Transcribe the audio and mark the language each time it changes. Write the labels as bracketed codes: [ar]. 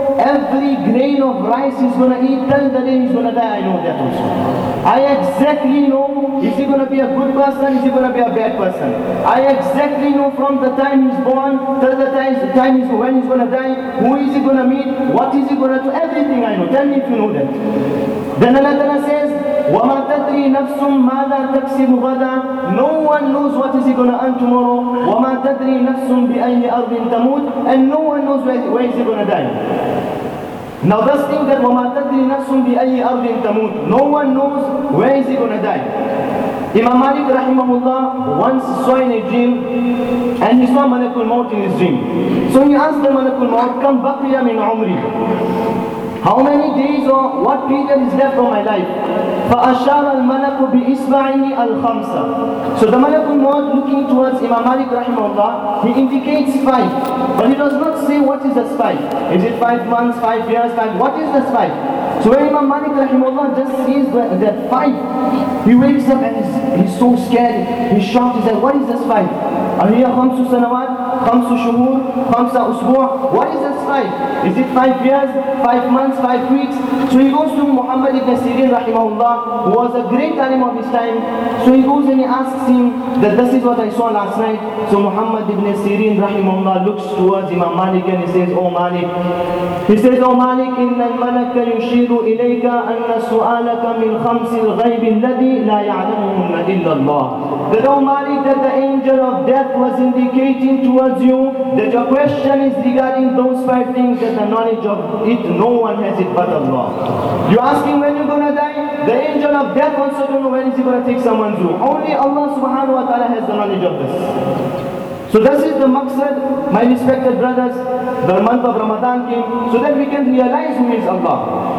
[en] every grain of rice he's gonna eat till the day he's gonna die. I know that also. I exactly know, is he gonna be a good person, is he gonna be a bad person? I exactly know from the time he's born till the time is when he's gonna die, who is he gonna meet, what is he gonna do, everything I know. Tell me if you know that. Then Allah Ta'ala says, [ar] وَمَا تَدْرِي نَفْسٌ مَاذَا تَكْسِبُ غَدًا. [en] No one knows what is he gonna earn tomorrow. [ar] وَمَا تَدْرِي نَفْسٌ بِأَيِّ أَرْضٍ تَمُوتُ. [en] And no one knows where is he gonna die. Now just think that [ar] وَمَا تَدْرِي نَفْسٌ بِأَيِّ أَرْضٍ تَمُوتُ. [en] No one knows where is he gonna die. Imam Malik rahimahullah once saw in a dream, and he saw Malakul Maut in his dream. So he asked the Malakul Maut, [ar] كَمْ بَقِيَ مِنْ عُمْرِي. [en] How many days or what period is left of my life? [ar] فَأَشَارَ الْمَلَكُ بِإِسْبَعِهِ الْخَمْسَةِ. [en] So the Malakul Maut, looking towards Imam Malik rahimahullah, he indicates five. But he does not say what is the five. Is it 5 months, 5 years, five? What is the five? So when Imam Malik rahimahullah just sees that five, he wakes up and he's so scared, he's shocked, he's like, what is this five? [ar] أَهِيَ خَمْسُ سَنَوَاتِ خَمْسُ شُهُورٍ خَمْسَ أُسْبُوعٍ. [en] What is this five? Is it 5 years, 5 months, 5 weeks? So he goes to Muhammad ibn Sirin rahimahullah, who was a great alim of his time. So he goes and he asks him that this is what I saw last night. So Muhammad ibn Sirin rahimahullah looks towards Imam Malik and he says, O Malik. He says, O Malik, [ar] إِنَّ الْمَلَكَ يُشِيرُ إِلَيْكَ أَنَّ سُؤَالَكَ مِنْ خَمْسِ الْغَيْبِ الَّذِي لَا يَعْلَمُهُمَّ إِلَّا اللَّهِ. [en] That O Malik, that the angel of death was indicating towards you that your question is regarding those five things, that the knowledge of it, no one has it but Allah. You're asking when you're gonna die? The angel of death also don't know when is he gonna take someone's room. Only Allah subhanahu wa ta'ala has the knowledge of this. So this is the maqsad, my respected brothers, the month of Ramadan came, so that we can realize who is Allah.